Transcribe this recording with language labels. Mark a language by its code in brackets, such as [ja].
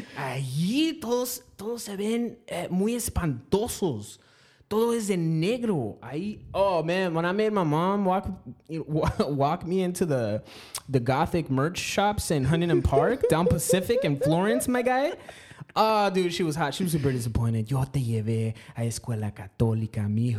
[es] Allí todos se ven muy espantosos. Todo es de negro. [en] When I made my mom walk me into the gothic merch shops in Huntington Park, down Pacific in Florence, my guy. Oh, dude, she was hot. She was super disappointed. [es] Yo te llevé a escuela católica, mijo.